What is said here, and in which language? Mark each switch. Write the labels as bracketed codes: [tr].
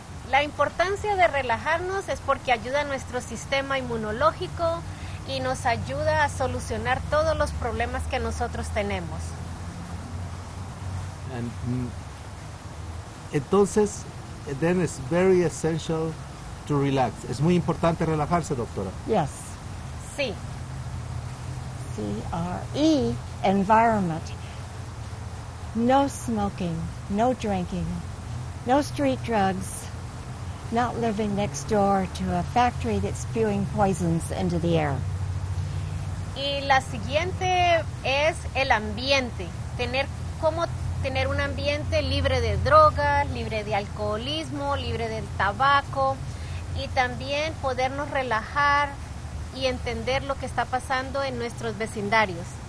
[es] La importancia de relajarnos es porque ayuda a nuestro sistema inmunológico y nos ayuda a solucionar todos los problemas que nosotros tenemos. [en] And, [es] entonces, [en] then it's very essential to relax. [es] Es muy importante relajarse, doctora. [en] Yes. [es] Sí. [en] C-R-E, environment. No smoking, no drinking, no street drugs, not living next door to a factory that's spewing poisons into the air. [es] Y la siguiente es el ambiente. Tener cómo tener un ambiente libre de drogas, libre de alcoholismo, libre del tabaco, y también podernos relajar y entender lo que está pasando en nuestros vecindarios.